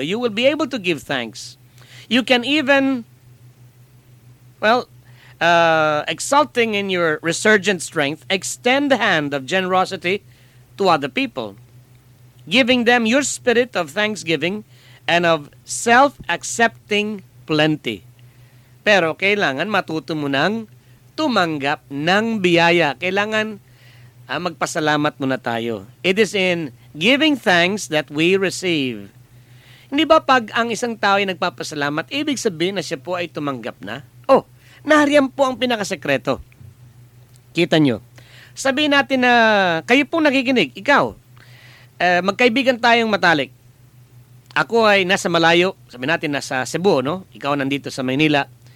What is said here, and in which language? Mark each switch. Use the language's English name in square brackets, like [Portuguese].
[English] You will be able to give thanks. You can even, well, exulting in your resurgent strength, extend the hand of generosity to other people, giving them your spirit of thanksgiving and of self-accepting plenty. [Filipino] Pero kailangan matuto mo nang tumanggap ng biyaya. Kailangan magpasalamat muna tayo. [English] It is in giving thanks that we receive. [Filipino] Hindi ba pag ang isang tao ay nagpapasalamat, ibig sabihin na siya po ay tumanggap na? Oh, nahariyan po ang pinakasekreto. Kita nyo. Sabihin natin na kayo pong nakikinig, ikaw, magkaibigan tayong matalik. Ako ay nasa malayo, sabi natin nasa Cebu, no? Ikaw nandito sa Maynila.